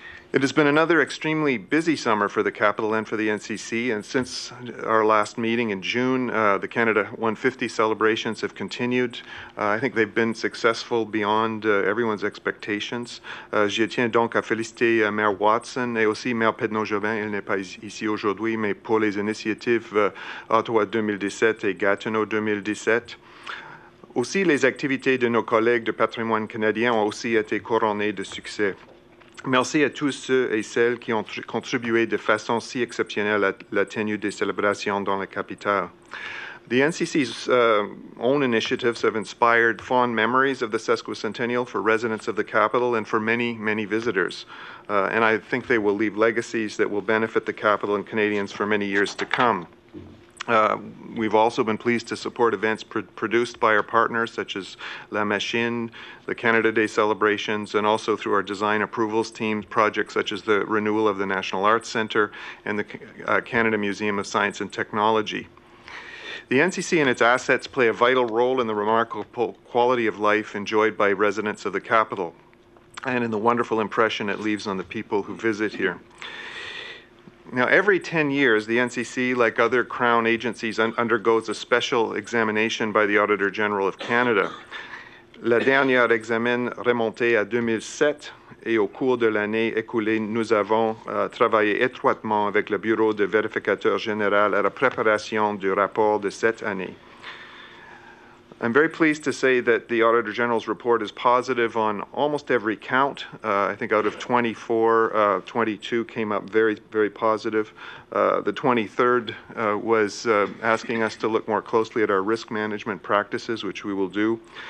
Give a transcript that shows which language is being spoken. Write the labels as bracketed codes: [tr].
[en] It has been another extremely busy summer for the Capital and for the NCC, and since our last meeting in June, the Canada 150 celebrations have continued. I think they've been successful beyond everyone's expectations. [fr] Je tiens donc à féliciter Mère Watson et aussi Mère Pednaud-Jobin. Elle n'est pas ici aujourd'hui, mais pour les initiatives Ottawa 2017 et Gatineau 2017. Aussi, les activités de nos collègues de patrimoine canadien ont aussi été couronnées de succès. Merci à tous ceux et celles qui ont contribué de façon si exceptionnelle à la tenue des célébrations dans la capitale. [en] The NCC's own initiatives have inspired fond memories of the sesquicentennial for residents of the capital and for many, many visitors. And I think they will leave legacies that will benefit the capital and Canadians for many years to come. We've also been pleased to support events produced by our partners, such as La Machine, the Canada Day celebrations, and also through our design approvals team, projects such as the renewal of the National Arts Centre and the Canada Museum of Science and Technology. The NCC and its assets play a vital role in the remarkable quality of life enjoyed by residents of the capital and in the wonderful impression it leaves on the people who visit here. Now, every 10 years, the NCC, like other Crown agencies, undergoes a special examination by the Auditor General of Canada. [fr] La dernière examen remontait à 2007, et au cours de l'année écoulée, nous avons travaillé étroitement avec le Bureau de vérificateur général à la préparation du rapport de cette année. [en] I'm very pleased to say that the Auditor General's report is positive on almost every count. I think out of 24, 22 came up very, very positive. The 23rd was asking us to look more closely at our risk management practices, which we will do.